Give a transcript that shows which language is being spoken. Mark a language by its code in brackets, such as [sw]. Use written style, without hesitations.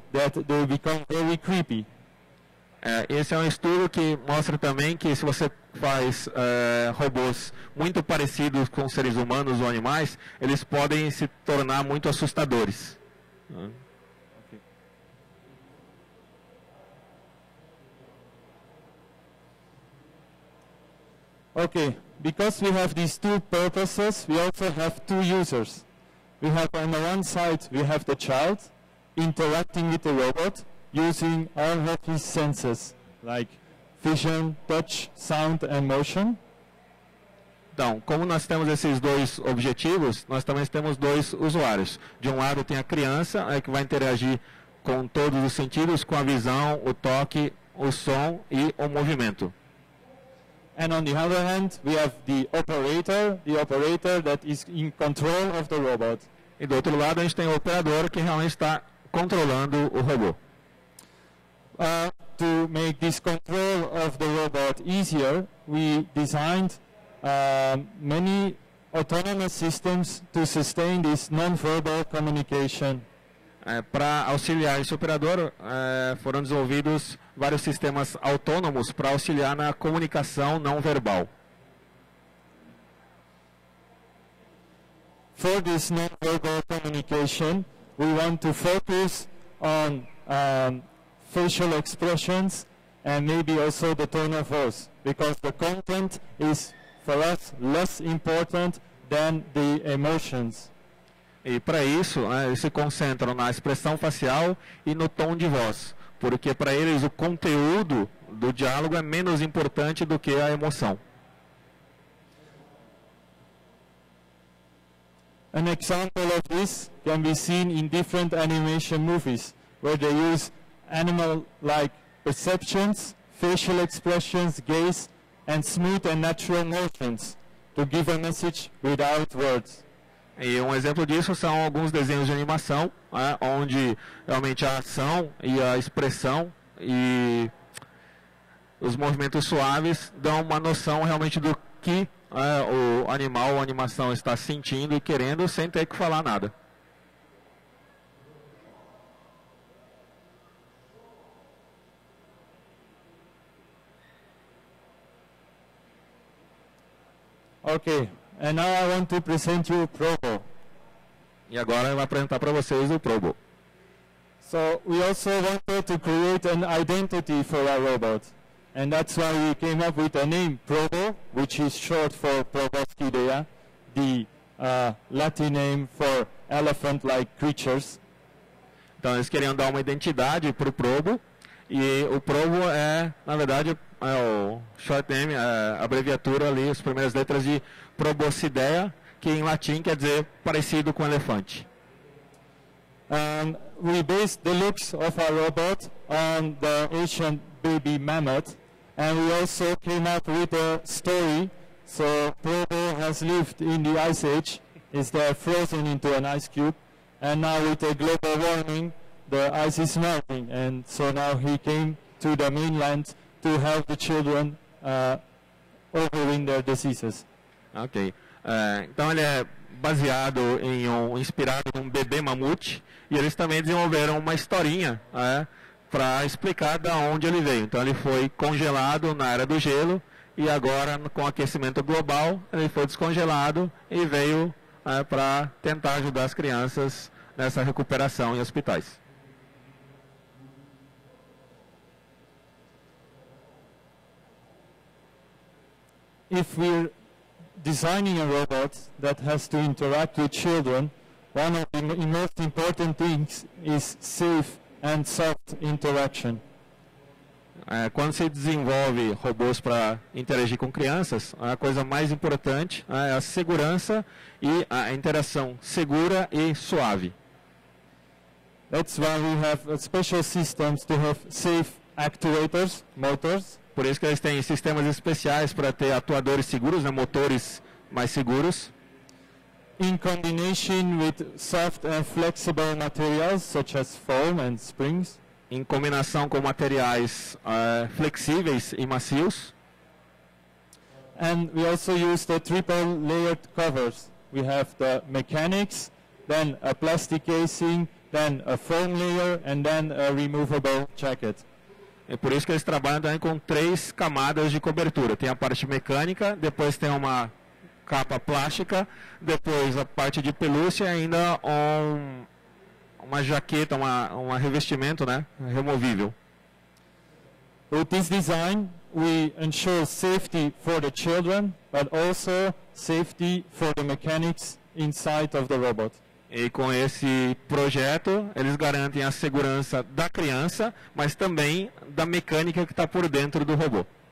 [en] that they become very creepy. [pt] Esse é um estudo que mostra também que se você faz robôs muito parecidos com seres humanos ou animais, eles podem se tornar muito assustadores. [en] Okay, because we have these two purposes, we also have two users. We have on the one side, we have the child interacting with the robot using all of his senses, like vision, touch, sound and motion. [pt] Então, como nós temos esses dois objetivos, nós também temos dois usuários. De um lado tem a criança, é que vai interagir com todos os sentidos, com a visão, o toque, o som e o movimento. [en] And on the other hand, we have the operator that is in control of the robot. [pt] E do outro lado, a gente tem o operador que realmente está controlando o robô. [en] To make this control of the robot easier, we designed many autonomous systems to sustain this non-verbal communication. [pt] Para auxiliar esse operador, foram desenvolvidos vários sistemas autônomos para auxiliar na comunicação não verbal. [en] For this non-verbal communication, we want to focus on facial expressions and maybe also the tone of voice, because the content is for us less important than the emotions. [pt] E para isso, eles se concentram na expressão facial e no tom de voz, porque para eles o conteúdo do diálogo é menos importante do que a emoção. [en] An example of this can be seen in different animation movies, where they use animal-like perceptions, facial expressions, gaze, and smooth and natural motions to give a message without words. [pt] E um exemplo disso são alguns desenhos de animação, onde realmente a ação e a expressão e os movimentos suaves dão uma noção realmente do que o animal ou a animação está sentindo e querendo sem ter que falar nada. Ok. [en] And now I want to present you PROBO. [pt] E agora eu vou apresentar para vocês o PROBO. [en] So we also wanted to create an identity for our robot. And that's why we came up with a name PROBO, which is short for Proboscidea, the Latin name for elephant-like creatures. [pt] Então eles queriam dar uma identidade para o PROBO. E o PROBO é, na verdade, é o [en] short name, [pt] a abreviatura ali, as primeiras letras de Proboscidea, que em latim quer dizer parecido com elefante. [en] We based the looks of our robot on the ancient baby mammoth, and we also came up with a story. So Probo has lived in the ice age, is there frozen into an ice cube, and now with a global warming, the ice is melting, and so now he came to the mainland to help the children overcome their diseases. Ok. [pt] Então ele é baseado em inspirado em um bebê mamute, e eles também desenvolveram uma historinha para explicar de onde ele veio. Então ele foi congelado na era do gelo, e agora com o aquecimento global, ele foi descongelado e veio para tentar ajudar as crianças nessa recuperação em hospitais. [en] If we're designing a robot that has to interact with children, one of the most important things is safe and soft interaction. [pt] Quando se desenvolve robôs para interagir com crianças, a coisa mais importante é a segurança e a interação segura e suave. [en] That's why we have special systems to have safe actuators, motors. [pt] Por isso que eles têm sistemas especiais para ter atuadores seguros, né, motores mais seguros. [en] In combination with soft and flexible materials, such as foam and springs. [pt] Em combinação com materiais flexíveis e macios. [en] And we also use the triple layered covers. We have the mechanics, then a plastic casing, then a foam layer, and then a removable jacket. [pt] É por isso que eles trabalham também com três camadas de cobertura. Tem a parte mecânica, depois tem uma capa plástica, depois a parte de pelúcia e ainda uma jaqueta, um revestimento, né, removível. [en] With this design, we ensure safety for the children, but also safety for the mechanics inside of the robot. [pt] E com esse projeto, eles garantem a segurança da criança, mas também da mecânica que está por dentro do robô.